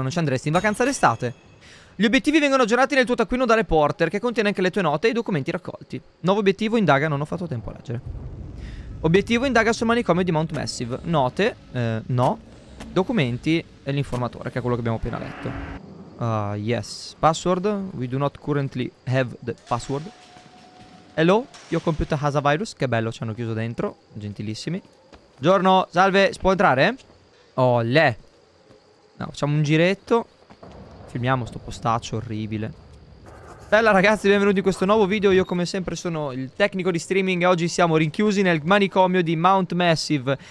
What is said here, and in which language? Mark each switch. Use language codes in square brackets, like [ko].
[it] Non ci andresti in vacanza d'estate? Gli obiettivi vengono aggiornati nel tuo taccuino da reporter, che contiene anche le tue note e i documenti raccolti. Nuovo obiettivo, indaga. Non ho fatto tempo a leggere. Obiettivo, indaga sul manicomio di Mount Massive. Note, no. Documenti e l'informatore, che è quello che abbiamo appena letto. [en] Yes. Password. We do not currently have the password. Hello. Your computer has a virus. [it] Che bello, ci hanno chiuso dentro. Gentilissimi. Giorno. Salve. Si può entrare? Olè. No, facciamo un giretto. Filmiamo sto postaccio orribile. Bella ragazzi, benvenuti in questo nuovo video. Io come sempre sono il tecnico di streaming e oggi siamo rinchiusi nel manicomio di Mount Massive.